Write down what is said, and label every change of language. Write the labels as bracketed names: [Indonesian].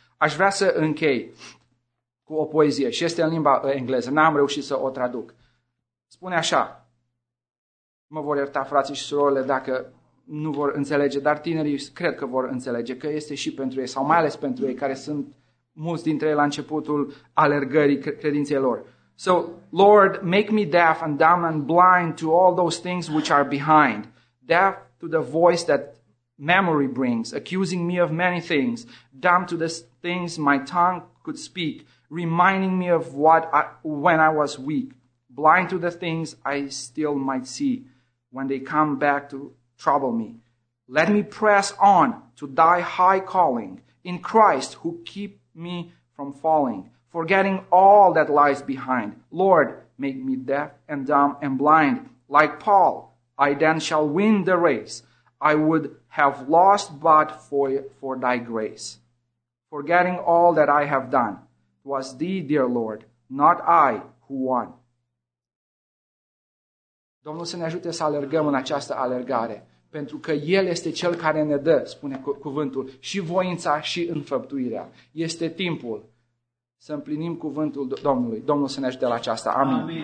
[Romanian] Aș vrea să închei cu o poezie și este în limba engleză, n-am reușit să o traduc. Spune așa: mă vor ierta frații și surorile dacă nu vor înțelege, dar tinerii cred că vor înțelege, că este și pentru ei, sau mai ales pentru ei, care sunt mulți dintre ei la începutul alergării credinței lor. [English] So, Lord, make me deaf and dumb and blind to all those things which are behind. Deaf to the voice that memory brings, accusing me of many things. Dumb to the things my tongue could speak, reminding me of when I was weak. Blind to the things I still might see when they come back to trouble me. Let me press on to thy high calling in Christ who keep me from falling, forgetting all that lies behind. Lord, make me deaf and dumb and blind. Like Paul, I then shall win the race. I would have lost but for thy grace. Forgetting all that I have done, 'twas thee, dear Lord, not I, who won. [Romanian] Domnul să ne ajute să alergăm în această alergare, pentru că El este Cel care ne dă, spune cuvântul, și voința și înfăptuirea. Este timpul să împlinim cuvântul Domnului. Domnul să ne ajute la aceasta. Amin.